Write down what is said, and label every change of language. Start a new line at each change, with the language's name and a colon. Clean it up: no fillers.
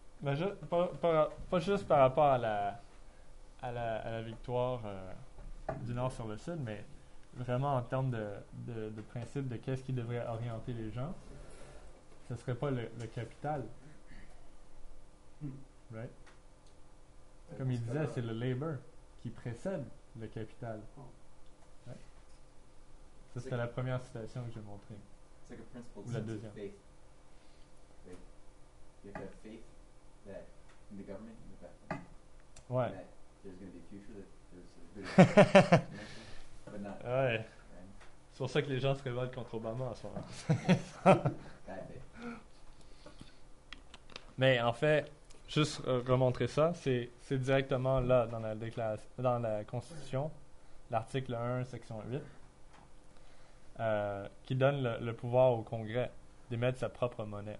French: Mais pas juste par rapport à la victoire du Nord sur le Sud, mais vraiment en termes de principe de qu'est-ce qui devrait orienter les gens, ce ne serait pas le capital.
English: Right?
French: Comme il disait, c'est le labor qui précède le capital. Oh. Ouais. Ça, c'était la première citation que j'ai montrée. C'est comme principle ou la deuxième.
English: Faith. Like, you have to have faith that in the government, in the back.
French: Ouais.
English: That there's going to be a future, that there's a future. But not.
French: Ouais.
English: Right.
French: C'est pour ça que les gens se révoltent contre Obama en ce moment. Mais en fait. Juste remontrer ça, c'est directement là dans la Constitution, l'article 1, section 8, qui donne le pouvoir au Congrès d'émettre sa propre monnaie.